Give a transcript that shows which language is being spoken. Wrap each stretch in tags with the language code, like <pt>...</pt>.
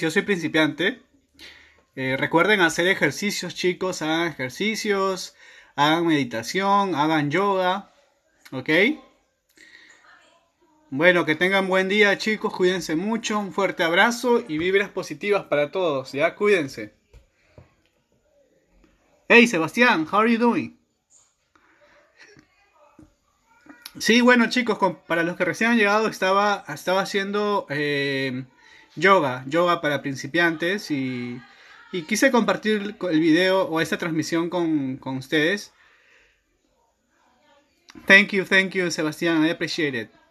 <es>Yo soy principiante. Recuerden hacer ejercicios, chicos. Hagan ejercicios, hagan meditación, hagan yoga. ¿Ok? Bueno, que tengan buen día, chicos. Cuídense mucho. Un fuerte abrazo y vibras positivas para todos. Ya, cuídense.</es> <en>Hey, Sebastián, how are you doing?</en> <es>Sí, bueno, chicos, para los que recién han llegado, estaba haciendo yoga para principiantes y quise compartir el video o esta transmisión con ustedes.</es> <en>Thank you, Sebastián. I appreciate it.</en>